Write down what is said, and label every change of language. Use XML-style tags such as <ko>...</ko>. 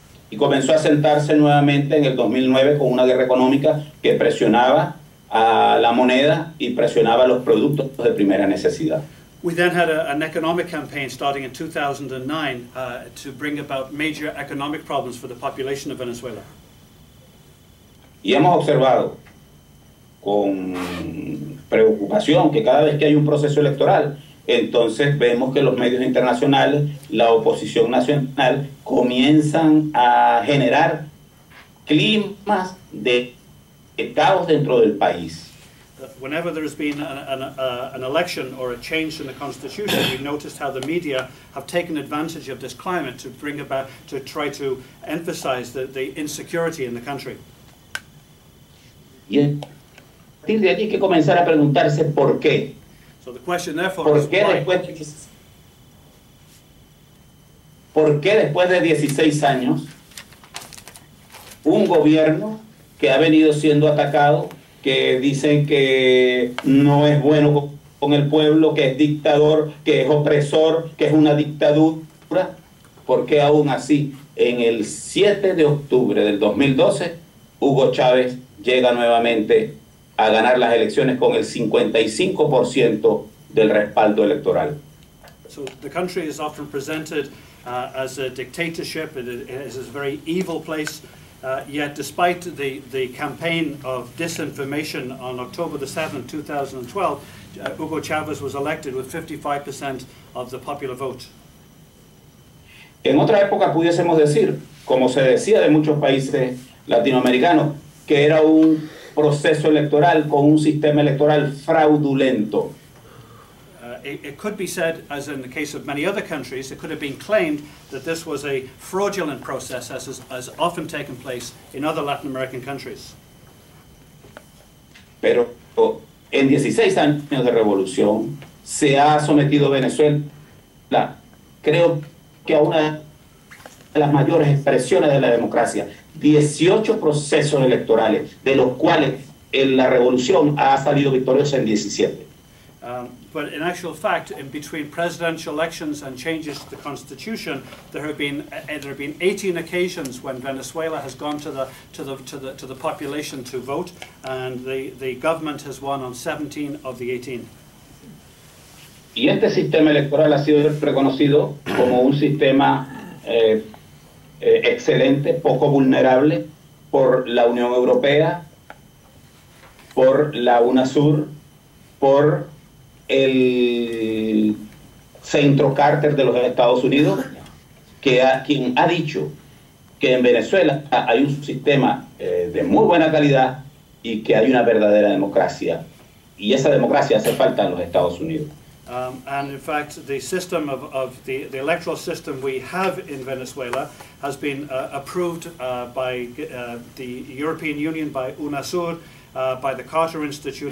<es>Y comenzó a asentarse nuevamente en el 2009 con una guerra económica que presionaba a la moneda y presionaba los productos de primera necesidad.</es> <en>We then had an economic campaign starting in 2009 to bring about major economic problems for the population of Venezuela.</en> <es>Y hemos observado con preocupación que cada vez que hay un proceso electoral, entonces vemos que los medios internacionales, la oposición nacional, comienzan a generar climas de caos dentro del país.</es> <en>Whenever there has been an election or a change in the constitution, we've noticed how the media have taken advantage of this climate to bring about, to try to emphasize the insecurity in the country.</en> <es>Y a partir de allí hay que comenzar a preguntarse por qué.</es> <en>So the question therefore is why?</en> <es>¿Por qué después de 16 años un gobierno que ha venido siendo atacado, que dicen que no es bueno con el pueblo, que es dictador, que es opresor, que es una dictadura, ¿por qué aún así en el 7 de octubre del 2012 Hugo Chávez llega nuevamente a ganar las elecciones con el 55% del respaldo electoral?</es> <en>So the country is often presented as a dictatorship. It is a very evil place. Yet despite the campaign of disinformation on October the 7th, 2012, Hugo Chavez was elected with 55% of the popular vote.</en> <es>En otra época pudiésemos decir, como se decía de muchos países latinoamericanos, que era un proceso electoral con un sistema electoral fraudulento.</es> <en>It could be said, as in the case of many other countries, it could have been claimed that this was a fraudulent process, as has often taken place in other Latin American countries.</en> <es>Pero en 16 años de revolución se ha sometido Venezuela, creo que a una de las mayores expresiones de la democracia, 18 procesos electorales, de los cuales en la revolución ha salido victoriosa en 17.</es> <en>But in actual fact, in between presidential elections and changes to the constitution, there have been 18 occasions when Venezuela has gone to the population to vote, and the government has won on 17 of the 18.</en> <es>Y este sistema electoral ha sido reconocido como un sistema excelente, poco vulnerable, por la Unión Europea, por la UNASUR, por el Centro Carter de los Estados Unidos, que ha, quien ha dicho que en Venezuela hay un sistema de muy buena calidad y que hay una verdadera democracia. Y esa democracia hace falta en los Estados Unidos.</es> <en>And in fact, the system of the electoral system we have in Venezuela has been approved by the European Union, by UNASUR, by the Carter Institute.</en>